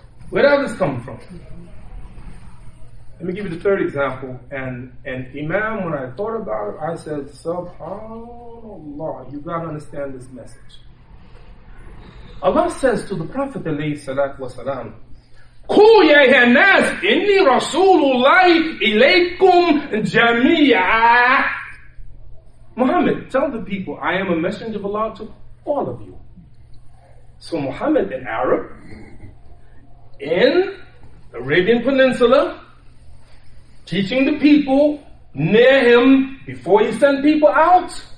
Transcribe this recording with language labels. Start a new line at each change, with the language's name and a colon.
English: Where does this come from? Let me give you the third example. And Imam, when I thought about it, I said, Subhanallah, you got to understand this message. Allah says to the Prophet, alayhi salatu wasalam,
Arabic: قُلْ يَا أَيُّهَا النَّاسُ إِنِّي رَسُولُ اللَّهِ إِلَيْكُمْ جَمِيعًا.
English: Muhammad, tell the people, I am a messenger of Allah to all of you. So Muhammad, an Arab, in the Arabian Peninsula, teaching the people near him before he sent people out.